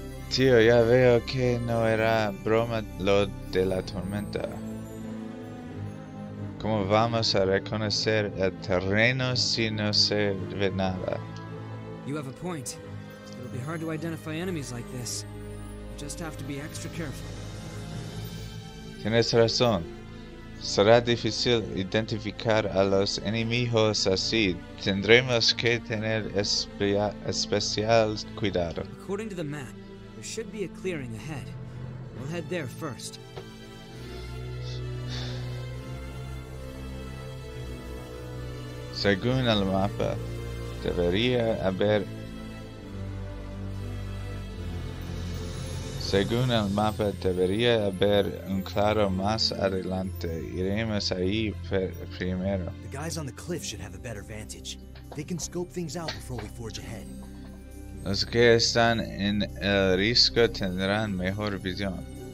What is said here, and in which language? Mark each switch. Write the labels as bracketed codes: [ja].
[es] Tío, ya veo que no era broma lo de la tormenta. ¿Cómo vamos a reconocer el terreno si no se ve nada? [en] You have a point. It'll be hard to identify enemies like this. You just have to be extra careful. [es] Tienes razón. Será difícil identificar a los enemigos así. Tendremos que tener especial cuidado. [en] According to the map, there should be a clearing ahead. We'll head there first. [es] Según el mapa, debería haber... Según el mapa, debería haber un claro más adelante. Iremos ahí primero. [en] The guys on the cliff should have a better vantage. They can scope things out before we forge ahead. [es] Los que están en el risco tendrán mejor visión.